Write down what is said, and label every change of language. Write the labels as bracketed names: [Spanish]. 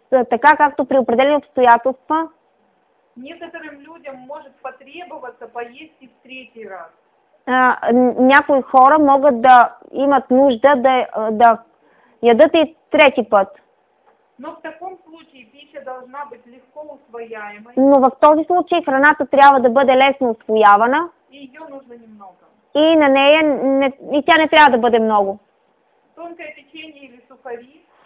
[Bulgarian] Така както при определени обстоятелства. [Russian] Некоторым людям может потребоваться поесть и в третий раз. [Bulgarian] Някои хора могат да имат нужда да ядат и трети път. [Russian] Но в таком случае пища должна быть легко усвояемой. [Bulgarian] Но в този случай храната трябва да бъде лесно усвоявана. [Russian] И ее нужно немного. [Bulgarian] И на нея и тя не трябва да бъде много. [Russian] Тонкое печенье или сухари.